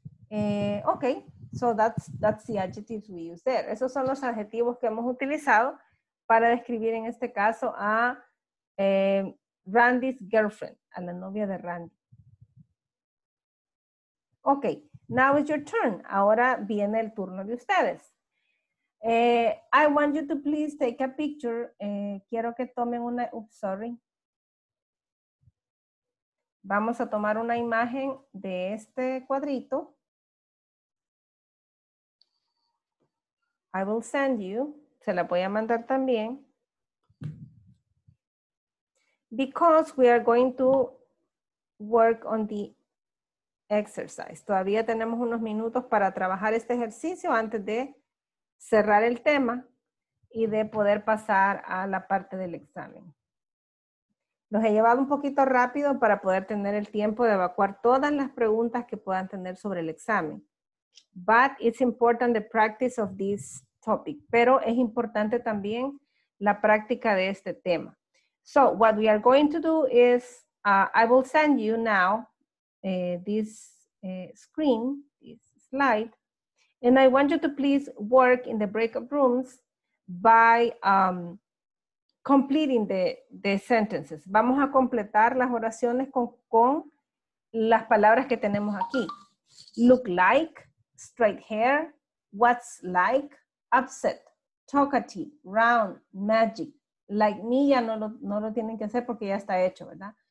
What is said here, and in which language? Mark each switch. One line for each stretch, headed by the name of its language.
English: Okay, so that's the adjectives we use there.
Spanish: Esos son los adjetivos que hemos utilizado para describir en este caso a Randy's girlfriend, a la novia de Randy. Okay,
English: now it's your turn.
Spanish: Ahora viene el turno de ustedes.
English: I want you to please take a picture.
Spanish: Quiero que tomen una, Vamos a tomar una imagen de este cuadrito.
English: I will send you,
Spanish: se la voy a mandar también.
English: Because we are going to work on the exercise.
Spanish: Todavía tenemos unos minutos para trabajar este ejercicio antes de cerrar el tema y de poder pasar a la parte del examen. Los he llevado un poquito rápido para poder tener el tiempo de evacuar todas las preguntas que puedan tener sobre el examen.
English: But it's important the practice of this topic.
Spanish: Pero es importante también la práctica de este tema.
English: So what we are going to do is, I will send you now this screen, this slide, and I want you to please work in the breakout rooms by completing the sentences.
Spanish: Vamos a completar las oraciones con las palabras que tenemos aquí.
English: Look like, straight hair, what's like, upset, talkative, round, magic. Like me,
Spanish: ya no lo tienen que hacer porque ya está hecho, ¿verdad?